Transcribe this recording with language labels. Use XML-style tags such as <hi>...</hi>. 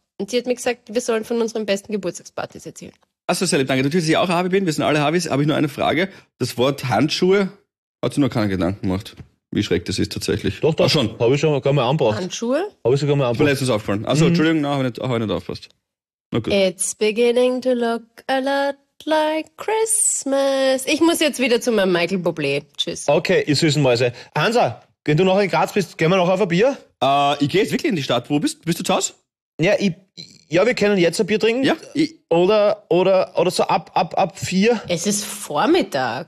<de>Und sie hat mir gesagt, wir sollen von unseren besten Geburtstagspartys erzählen. Achso, sehr lieb, danke. Natürlich, dass ich auch Harvi bin, wir sind alle Harvis. Habe ich nur eine Frage. Das Wort Handschuhe hat sich noch keiner Gedanken gemacht, wie schräg das ist tatsächlich. Doch, schon. Habe ich schon gar mal anbracht. Handschuhe? Habe ich sogar mal anbracht. Ich bin letztens aufgefallen. Achso, Entschuldigung, nein, habe ich nicht aufgepasst. Na gut.</de> <en>It's beginning to look a lot like Christmas.</en> <de>Ich muss jetzt wieder zu meinem Michael Bublé. Tschüss. Okay, ihr süßen Mäuse. Hansa, wenn du noch in Graz bist, gehen wir noch auf ein Bier? Ich gehe jetzt wirklich in die Stadt. Wo bist du? Bist du zu Hause? Ja, wir können jetzt ein Bier trinken. Ja. Oder so ab vier. Es ist Vormittag.</de>